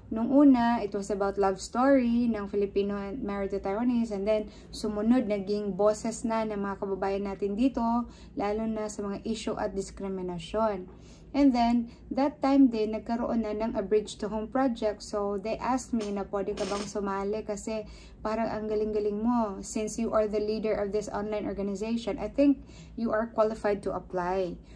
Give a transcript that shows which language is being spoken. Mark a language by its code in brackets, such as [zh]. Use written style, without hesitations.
[tl] Nung una, [en] it was about love story ng Filipino and married to Taiwanese. And then, [tl] sumunod, naging boses na ng mga kababayan natin dito. Lalo na sa mga issue at discrimination. [en] And then, that time [tl] din, nagkaroon na ng A Bridge to Home project. [en] So, they asked me [tl] na pwede ka bang sumali kasi parang ang galing-galing mo. [en] Since you are the leader of this online organization, I think you are qualified to apply.